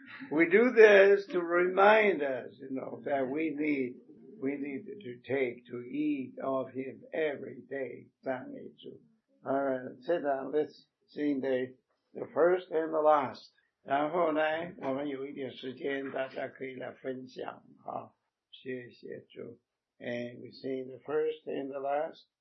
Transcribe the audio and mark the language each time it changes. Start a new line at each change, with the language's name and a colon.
English: We do this to remind us, you know, that we need to take, to eat of Him every day. Alright, sit down, let's sing the first and the last.
Chinese: 然后呢，我们有一点时间，大家可以来分享啊。谢谢主。
English: And we sing the first and the last.